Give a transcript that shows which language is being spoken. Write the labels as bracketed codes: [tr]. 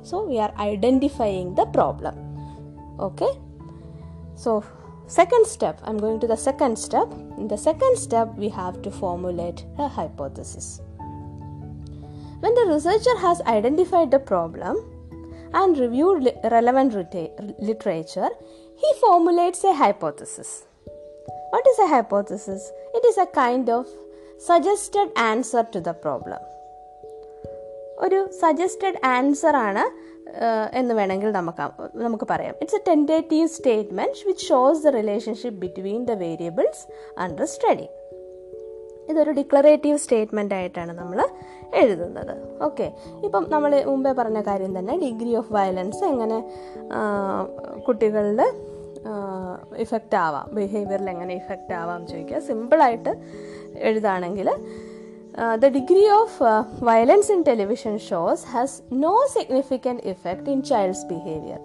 [en] So we are identifying the problem. Okay, so second step, I'm going to the second step. In the second step we have to formulate a hypothesis. When the researcher has identified the problem and reviewed relevant literature, he formulates a hypothesis. What is a hypothesis? It is a kind of suggested answer to the problem. [ml] Oru suggested answer aanu ennu venengil namukku parayam. [en] It's a tentative statement which shows the relationship between the variables under study. [ml] ഇതൊരു declarative statement ആയിട്ടാണ് നമ്മൾ എഴുതുന്നത്. Okay, ഇപ്പം നമ്മൾ മുമ്പേ പറഞ്ഞ കാര്യം തന്നെ, ഡിഗ്രി ഓഫ് വയലൻസ് എങ്ങനെ കുട്ടികളുടെ ഇഫക്റ്റ് ആവാം, ബിഹേവിയറിൽ എങ്ങനെ ഇഫക്റ്റ് ആവാം ചോദിക്കുക. സിമ്പിളായിട്ട് എഴുതുകയാണെങ്കിൽ, [en] The degree of violence in television shows has no significant effect in child's behaviour.